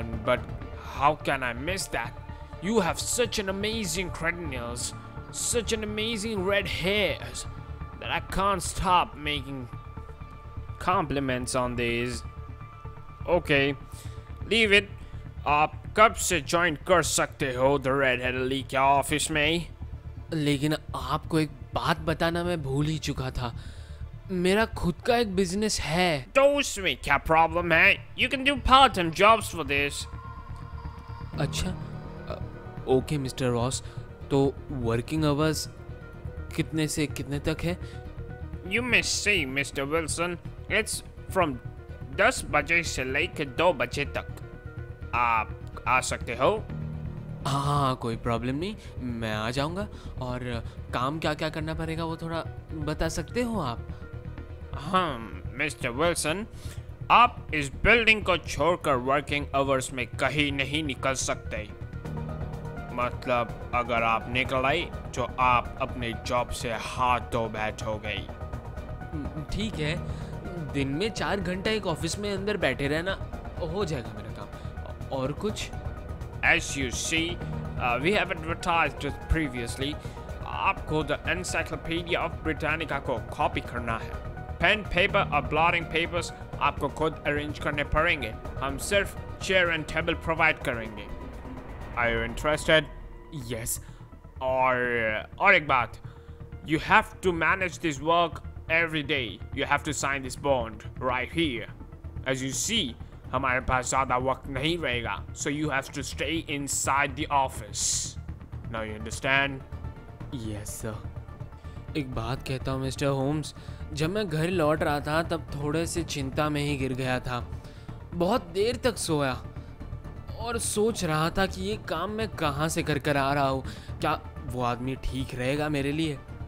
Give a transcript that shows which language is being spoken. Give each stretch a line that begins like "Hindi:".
English: But how can I miss that, you have such an amazing credentials, such an amazing red hairs, that I can't stop making compliments on these. Okay, leave it.
Hindi: आप कब से join कर सकते हो the Red Headed League के office में? लेकिन आपको एक बात बताना मैं भूल ही चुका था, मेरा खुद का एक business है। तो उसमें क्या problem है?
English: You can do part-time jobs for this.
Hindi: अच्छा, ओके मिस्टर रॉस, तो वर्किंग आवर्स कितने से कितने तक है?
English: you may say
Hindi: मिस्टर विल्सन,
English: it's from
Hindi: 10 बजे से लेकर 2 बजे तक, आप आ सकते हो? हाँ, कोई प्रॉब्लम नहीं, मैं आ जाऊँगा। और काम क्या क्या करना पड़ेगा वो थोड़ा बता सकते हो आप? हाँ मिस्टर विल्सन, आप इस बिल्डिंग को छोड़कर वर्किंग आवर्स में कहीं नहीं निकल सकते। मतलब अगर आप निकल आए तो आप अपने जॉब से हाथ धो बैठोगे। ठीक है, दिन में 4 घंटा एक ऑफिस में अंदर बैठे रहना, हो जाएगा मेरा काम। और कुछ?
English: As you see, we have advertised just previously,
Hindi: आपको the Encyclopedia of Britannica को कॉपी करना है। पेन पेपर और ब्लॉटिंग पेपर्स आपको खुद अरेंज करने पड़ेंगे, हम सिर्फ चेयर एंड टेबल प्रोवाइड करेंगे।
English: Are you interested? Yes.
Hindi: और एक बात,
English: you have to manage this work every day. You have to sign this bond right here. As you see,
Hindi: हमारे पास ज़्यादा वक्त नहीं रहेगा,
English: so you have to stay inside the office. Now you understand? Yes, sir.
Hindi: एक बात कहता हूँ mister Holmes, जब मैं घर लौट रहा था तब थोड़े से चिंता में ही गिर गया था। बहुत देर तक सोया और सोच रहा था कि ये काम मैं कहाँ से कर आ रहा हूँ, क्या वो आदमी ठीक रहेगा मेरे लिए।